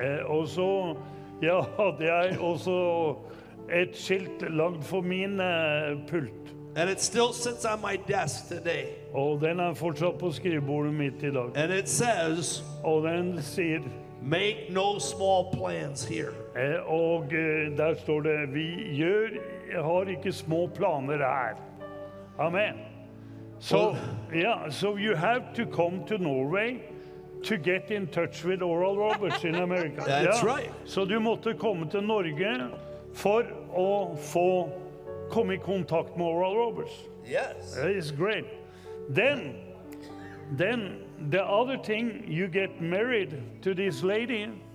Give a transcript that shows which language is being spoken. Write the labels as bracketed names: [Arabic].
[Norwegian] Og så ja, hadde jeg også et skilt lagd for min pult. [English] And it still sits on my desk today. [Swedish] Och den har fortsatt på skrivbordet mitt idag. [English] And it says, [Swedish] och den säger, [English] make no small plans here. [Swedish] Och där står det, vi gör har inte små planer här. [English] Amen. So, well, yeah, so you have to come to Norway to get in touch with Oral Roberts in America. That's yeah. Right. [Swedish] Så du måste komma till Norge för att få kom I kontakt med Oral Roberts. [English] Yes. That is great. Then the other thing, you get married to this lady.